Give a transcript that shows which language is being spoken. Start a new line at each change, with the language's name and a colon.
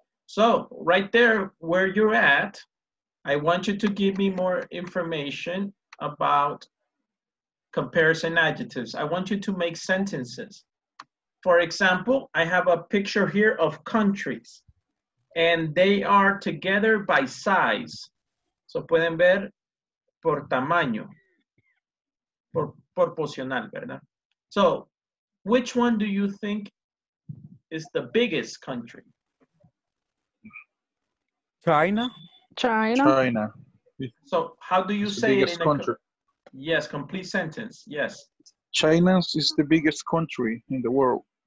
English: So right there where you're at, I want you to give me more information about comparison adjectives. I want you to make sentences. For example, I have a picture here of countries, and they are together by size.
Spanish: So pueden ver por tamaño, por proporcional, ¿verdad?
English: So which one do you think is the biggest country? China. So how do you say it in a country? Yes, complete sentence, yes. China is the biggest country in the world.